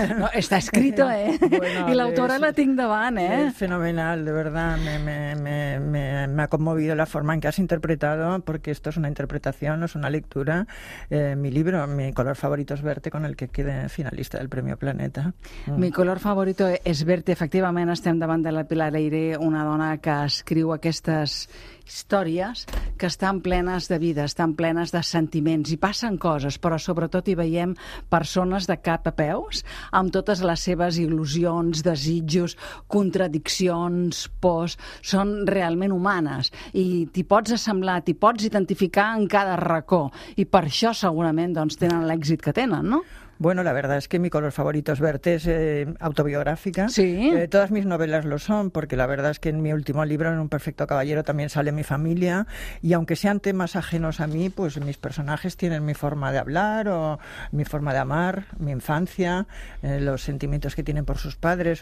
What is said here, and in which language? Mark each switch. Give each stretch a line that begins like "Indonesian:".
Catalan: No, està escrit, eh? Bueno, i l'autora la tinc davant, eh? És
Spanish: fenomenal, de verdad. Me ha conmovido la forma en que has interpretado, porque esto es una interpretación, no es una lectura. Mi libro, mi color favorito es verte, con el que quede finalista del Premio Planeta. Mi color favorito es verte.
Catalan: Efectivament, estem davant de la Pilar Eire, una dona que escriu aquestes històries que estan plenes de vida, estan plenes de sentiments i passen coses, però sobretot hi veiem persones de cap a peus amb totes les seves il·lusions, desitjos, contradiccions, pors, són realment humanes i t'hi pots assemblar, t'hi pots identificar en cada racó i per això segurament doncs, tenen l'èxit que tenen, no?
Spanish: Bueno, la verdad es que mi color favorito es verte, es autobiográfica. Sí. Todas mis novelas lo son, porque la verdad es que en mi último libro, En un perfecto caballero, también sale mi familia. Y aunque sean temas ajenos a mí, pues mis personajes tienen mi forma de hablar o mi forma de amar, mi infancia, los sentimientos que tienen por sus padres.